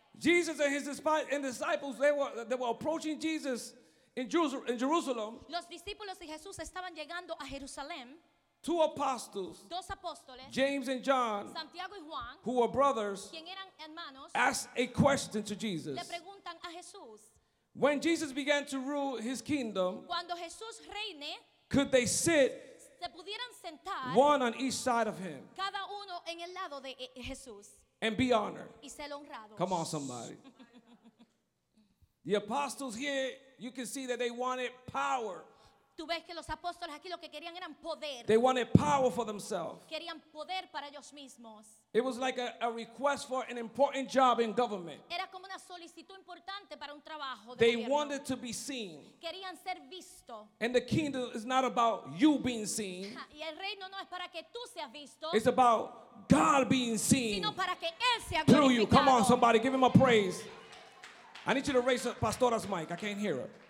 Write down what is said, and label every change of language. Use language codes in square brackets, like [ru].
[en] Jesus and his disciples they were approaching Jesus in Jerusalem. [es] Los discípulos y Jesús estaban llegando a Jerusalén. [en] Two apostles, [es] dos apóstoles, [en] James and John, [es] Santiago y Juan, [en] who were brothers, [es] quien eran hermanos, [en] asked a question to Jesus. [es] Le preguntan a Jesús, [en] when Jesus began to rule his kingdom, [es] cuando Jesús reine, [en] could they sit [es] se pudieran sentar, [en] one on each side of him [es] cada uno en el lado de Jesús, [en] and be honored? [es] Y ser honrados. [en] Come on, somebody. The apostles here, you can see that they wanted power. [es] Tú ves que los apóstoles aquí lo que querían eran poder. [en] They wanted power for themselves. [es] Querían poder para ellos mismos. [en] It was like a request for an important job in government. [es] Era como una solicitud importante para un trabajo de [en] They [es] gobierno. [en] Wanted to be seen. [es] Querían ser visto. [en] And the kingdom is not about you being seen. [es] Y el reino no es para que tú seas visto. [en] It's about God being seen. [es] Sino para que él sea glorificado. [en] Through you. Come on, somebody, give him a praise. I need you to raise up Pastora's mic. I can't hear her.